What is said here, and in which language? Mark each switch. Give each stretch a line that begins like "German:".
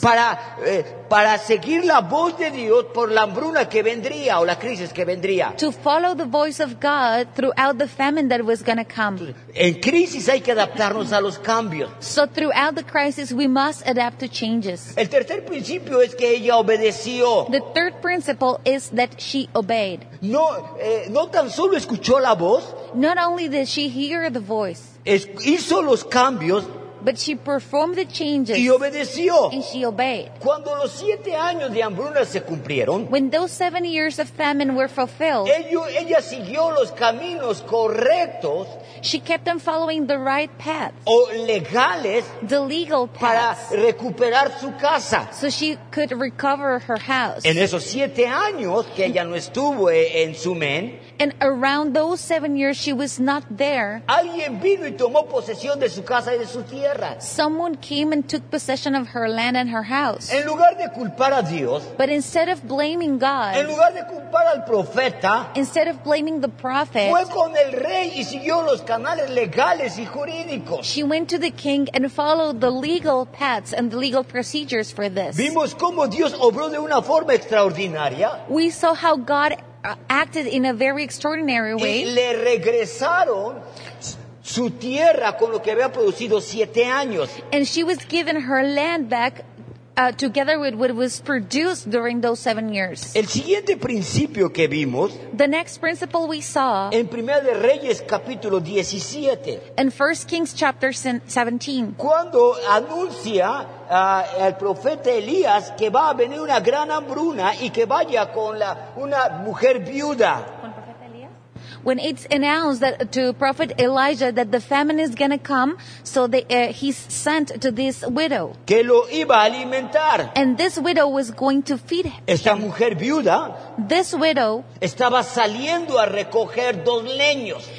Spanish: Para seguir la voz de Dios por la hambruna que vendría o la crisis que vendría.
English: To follow the voice of God throughout the famine that was going to come.
Spanish: En crisis hay que adaptarnos a los cambios.
English: So throughout the crisis we must adapt to changes.
Spanish: El tercer principio es que ella obedeció.
English: The third principle is that she obeyed.
Spanish: No tan solo escuchó la voz.
English: Not only did she hear the voice.
Spanish: Hizo los cambios.
English: But she performed the changes.
Spanish: Y obedeció.
English: And she obeyed.
Spanish: Cuando los siete años de hambruna se cumplieron,
English: when those 7 years of famine were fulfilled,
Spanish: ella siguió los caminos correctos.
English: She kept on following the right paths.
Spanish: O legales.
English: The legal paths.
Spanish: Para recuperar su casa.
English: So she could recover her house.
Spanish: En esos siete años que ella no estuvo en Sumen.
English: And around those 7 years she was not there.
Spanish: Alguien vino y tomó posesión de su casa y de su tierra.
English: Someone came and took possession of her land and her house.
Spanish: En lugar de culpar a Dios,
English: but instead of blaming God,
Spanish: en lugar de culpar al profeta,
English: instead of blaming the prophet,
Spanish: fue con el rey y siguió los canales legales y jurídicos.
English: She went to the king and followed the legal paths and the legal procedures for this.
Spanish: Vimos cómo Dios obró de una forma extraordinaria.
English: We saw how God acted in a very extraordinary way.
Spanish: Y le regresaron su tierra con lo que había producido siete años.
English: And she was given her land back together with what was produced during those 7 years.
Spanish: El siguiente principio que vimos,
English: the next principle we saw,
Spanish: en Primera de Reyes capítulo 17,
English: in 1 Kings chapter 17,
Spanish: cuando anuncia el profeta Elías que va a venir una gran hambruna y que vaya con la una mujer viuda.
English: When it's announced that to Prophet Elijah that the famine is going to come, so he's sent to this widow.
Spanish: Que lo iba a alimentar.
English: And this widow was going to feed him.
Spanish: Esta mujer viuda,
English: this widow,
Spanish: estaba saliendo a recoger dos leños.